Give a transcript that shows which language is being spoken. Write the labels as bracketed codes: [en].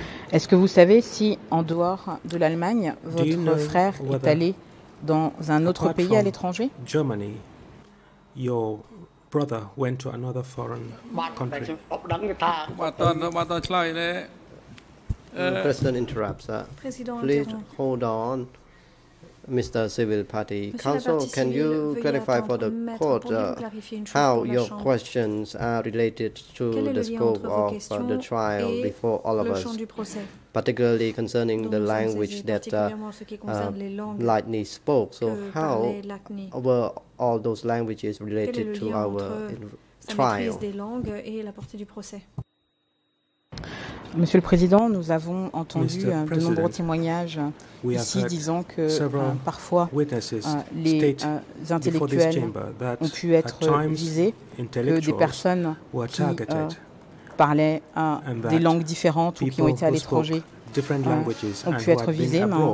[fr] Est-ce que vous savez si, en dehors de l'Allemagne, votre frère est allé dans un autre pays à l'étranger? [en] Germany, your brother went to another foreign country. The president interrupts. Please hold on, Mr. Civil Party. [fr] Monsieur [en] Counsel, can you clarify for the court how your questions are related to the scope of the trial before all of us, particularly concerning the language that Lachny spoke? So how were all those languages related to our trial? [fr] Monsieur le Président, nous avons entendu de nombreux témoignages ici disant que parfois les intellectuels ont pu être visés, que des personnes qui parlaient des langues différentes ou qui ont été à l'étranger ont pu être visées.